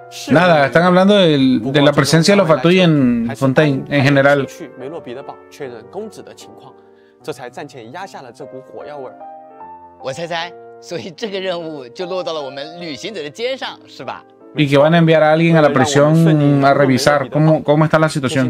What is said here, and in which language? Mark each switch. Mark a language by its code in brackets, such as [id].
[es] Nada, están hablando de la presencia de los Fatui en Fontaine en general. [zh] 去梅洛彼得堡确认公子的情况，这才暂且压下了这股火药味。我猜猜，所以这个任务就落到了我们旅行者的肩上，是吧？ [es] Y que van a enviar a alguien a la prisión a revisar cómo está la situación.